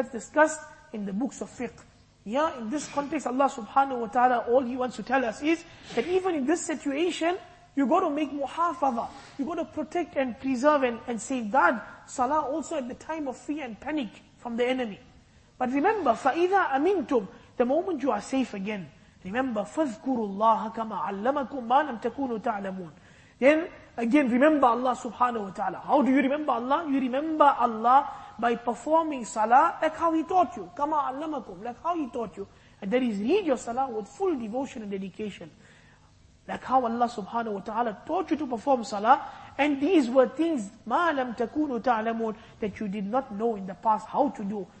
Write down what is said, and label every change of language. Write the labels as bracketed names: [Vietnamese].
[English] That's discussed in the books of fiqh. Yeah, in this context Allah subhanahu wa ta'ala, all He wants to tell us is that even in this situation, you got to make muhafaza. You got to protect and preserve and safeguard salah also at the time of fear and panic from the enemy. But remember, [Arabic] فَإِذَا أَمِنْتُمْ. [English] The moment you are safe again, remember, [Arabic] فَذْكُرُوا اللَّهَ كَمَا عَلَّمَكُمْ مَا لَمْ تَكُونُوا تَعْلَمُونَ. [English] Then, again, remember Allah subhanahu wa ta'ala. How do you remember Allah? You remember Allah by performing salah like how He taught you. [Arabic] كَمَا عَلَّمَكُمْ. [English] Like how He taught you. And that is, read your salah with full devotion and dedication. Like how Allah subhanahu wa ta'ala taught you to perform salah. And these were things, [Arabic] مَا لَمْ تَكُونُوا تَعْلَمُونَ, [English] that you did not know in the past how to do.